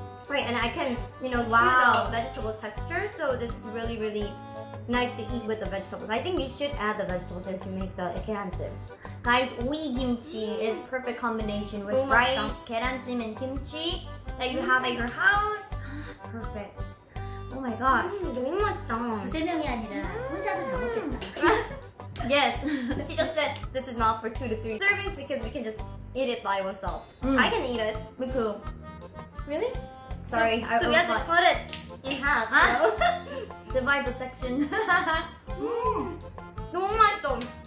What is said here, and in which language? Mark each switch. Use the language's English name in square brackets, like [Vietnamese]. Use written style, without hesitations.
[English] Right, and I can, you know, chew the vegetable texture, so this is really, really nice to eat with the vegetables. I think you should add the vegetables if you make the 계란찜. Guys, 오이 김치 is perfect combination with rice, 계란찜, and kimchi that you have at your house. Perfect. Oh my gosh. [Korean] 너무 맛있다. 두세 명이 아니라 혼자도 다 먹겠다. [English] Yes, she just said this is not for 2 to 3 servings because we can just eat it by oneself. Mm. I can eat it. Me too. Really? Sorry. So, we have to cut it in half. Huh? So. Divide the section. [Korean] Mm. 너무 맛있어.